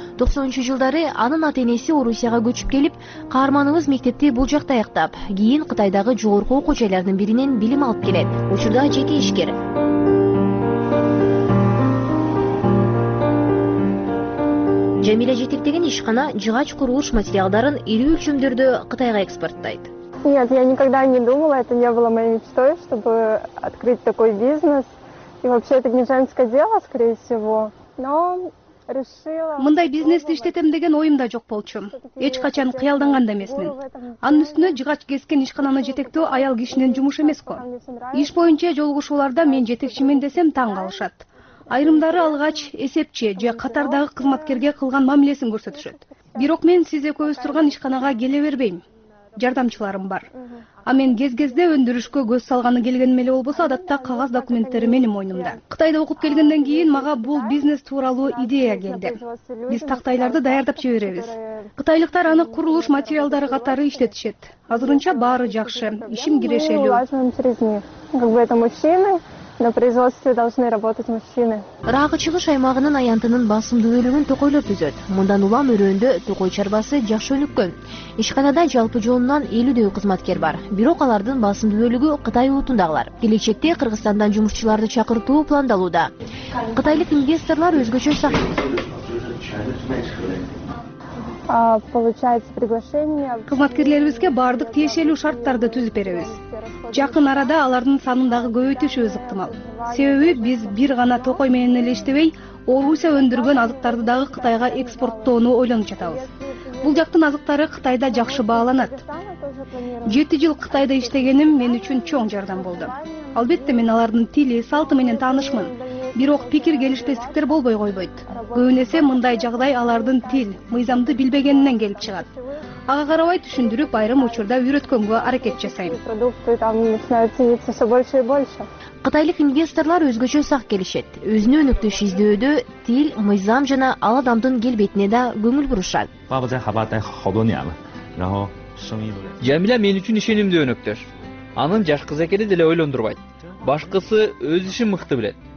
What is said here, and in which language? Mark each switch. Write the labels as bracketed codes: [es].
[ky] 90-жылдары анын ата энеси Орусияга көчүп келип, каарманыбыз мектепти бул жакта аяктап, кийин Кытайдагы жогорку окуу жайларынын биринен билим алып келет. Учурда жеке ишкер. Жамиля жетектеген ишкана жыгач курулуш материалдарын ири өлчөмдөрдө Кытайга экспорттойт. [ru] Нет, я никогда не думала, это не было моей мечтой, чтобы открыть такой бизнес. И вообще это не женское дело, скорее всего. Но решила. [ky] Мындай бизнести иштетем деген оюм да жок болчу. Эч качан кыялданган да эмесмин. Анын үстүнө жыгач кескен ишкананы жетектөө аял кишинин жумушу эмеско. Иш боюнча жолугушууларда мен жетекчимин десем таң калышат. Айрымдары алгач эсепчи же катардагы кызматкерге кылган мамилесин көрсөтүшөт. Бирок мен сиз экөөбүз турган ишканага келе бербейм. Жардамчыларым бар. А мен кез-кезде өндүрүшкө көз салганы келгеним эле болбосо, адатта кагаз документтери менин мойнумда. Кытайда окуп келгенден кийин мага бул бизнес тууралуу идея келди. Биз тактайларды даярдап жиберебиз. Кытайлыктар аны курулуш материалдары катары иштетишет. Азырынча баары жакшы, ишим кирешелүү. [ru] Как бы это мужчины, на производстве должны работать мужчины. [ky] Рагы чыгыш аймагынын аянтынын басымдуу бөлүгүн токойлоп түзөт. Мындан улам өрөөндө токой чарбасы жакшы өнүккөн. Ишканада жалпы жолунан 50 кызматкер бар. Бирок алардын басымдуу бөлүгү Кытай улутундагылар. Келечекте Кыргызстандан жумушчуларды чакыртуу пландалууда. Кытайлык инвесторлор өзгөчө сактайт. [ru] Получается приглашение. [ky] Кызматкерлерибизге бардык тиешелүү шарттарды түзүп беребиз. Жакын арада алардын санын дагы көбөйтүшүбүз ыктымал. Себеби биз бир гана токой менен эле иштебей, Орусия өндүргөн азыктарды дагы Кытайга экспорттоону ойлонуп жатабыз. Бул жактын азыктары Кытайда жакшы бааланат. 7 жыл Кытайда иштегеним мен үчүн чоң жардам болду. Албетте мен алардын тили, салты менен таанышмын. Бирок пикир келишпестиктер болбой койбойт. Көбүнесе мындай жагдай алардын тил, мыйзамды билбегенинен келип чыгат. ага карабай түшүндүрүп, айрым учурда үйрөткөнгө аракет жасайм. [ru] Продукты там начинают цениться все больше и больше. [ky] Кытайлык инвесторлор өзгөчө сак келишет. Өзүнө өнөктөш издөөдө тил, мыйзам жана ал адамдын келбетине да көңүл бурушат. Жамиля мен үчүн ишенимдүү өнөктөш. Анын жаш кыз экени деле ойлондурбайт. Башкысы өз ишин мыкты билет.